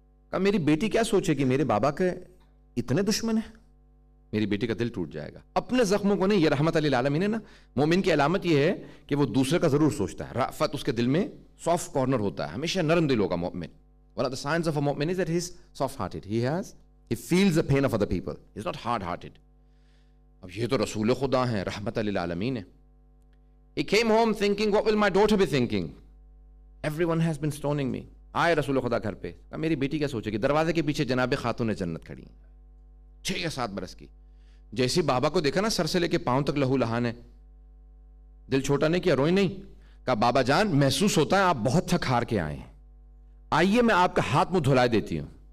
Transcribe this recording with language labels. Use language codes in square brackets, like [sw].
[ur] کہا میری بیٹی کیا سوچے گی, میرے بابا کے اتنے دشمن ہیں, میری بیٹی کا دل ٹوٹ جائے گا. اپنے زخموں کو نہیں, یہ رحمت علی العالمین ہے نا, مومن کی علامت یہ ہے کہ وہ دوسرے کا ضرور سوچتا ہے, رافت اس کے دل میں سافٹ کارنر ہوتا ہے, ہمیشہ نرم دل ہوگا مومن. [en] One of the signs of a mu'min is that he's soft-hearted. He feels the pain of other people. He's not hard-hearted. [ur] اب یہ تو رسول خدا ہیں, رحمت للعالمین ہے. [en] He came home thinking, what will my daughter be thinking? Everyone has been stoning me. [ur] آئے رسول خدا گھر پہ, کہا میری بیٹی کیا سوچے گی, دروازے کے پیچھے جناب خاتون جنت کھڑی ہیں 6 یا 7 برس کی, جیسی بابا کو دیکھا نا سر سے لے کے پاؤں تک لہو لہان ہے, دل چھوٹا نہیں کیا, روئی نہیں. کہا بابا جان محسوس ہوتا ہے آپ بہت تھک ہار کے آئے ہیں, آئیے میں آپ کا ہاتھ منہ دھلائے دیتی ہوں.